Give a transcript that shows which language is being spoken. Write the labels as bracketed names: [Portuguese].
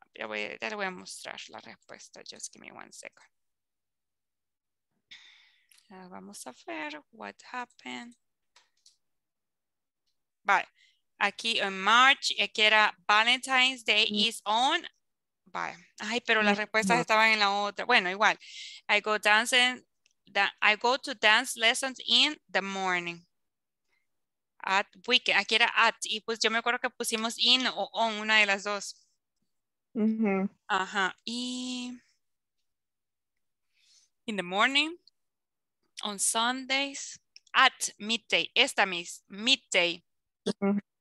[Spanish] Ya le voy a mostrar la respuesta. Just give me one second. Vamos a ver [English] what happened. [Spanish] Vale. Aquí en [English] March, [Spanish] aquí era [English] Valentine's Day is on. [Spanish] Vale. Ay, pero las respuestas estaban en la otra. Bueno, igual. [English] I go to dance lessons in the morning. At weekend. [Spanish] Aquí era [English] at. [Spanish] Y pues yo me acuerdo que pusimos in o on, una de las dos. Uh-huh. [English] Ajá. Y in the morning. On Sundays, at midday, esta Miss, midday. Uh-huh.